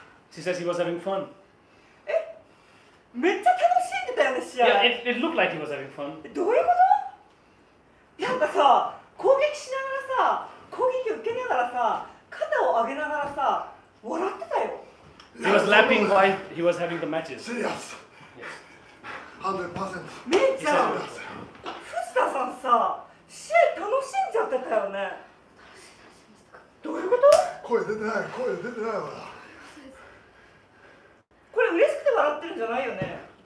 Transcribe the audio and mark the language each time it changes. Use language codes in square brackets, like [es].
[en] she says he was having fun、 [ja] え、めっちゃ楽しんでたよね、試合、 [en] yeah, it looked like he was having fun、 [ja] どういうこと、なんかさ、攻撃しながらさ、攻撃を受けながらさ、肩を上げながらさ、笑ってたよ、 [en] He was lapping while he was having the matches. Serious. Yes. 100%. [ja] メイちゃん、藤田さんさ、試合楽しんじゃってたよね。どういうこと？声出てないわ。これ嬉しくて笑ってるんじゃないよね。